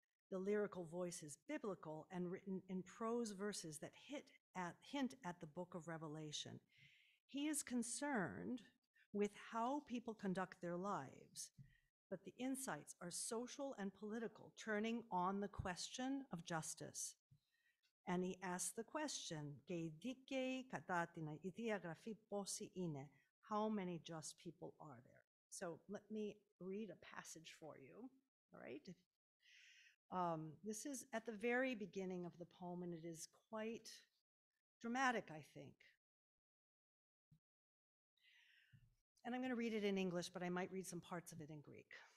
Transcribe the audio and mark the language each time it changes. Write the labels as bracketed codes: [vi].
[en] The lyrical voice is biblical and written in prose verses that hint at the book of Revelation. He is concerned with how people conduct their lives, but the insights are social and political, turning on the question of justice. And he asked the question, [el] και οι δίκαιοι κατά την ηθεία γραφή πόσοι είναι? [en] How many just people are there? So let me read a passage for you, all right? This is at the very beginning of the poem, and it is quite dramatic, I think. And I'm going to read it in English, but I might read some parts of it in Greek.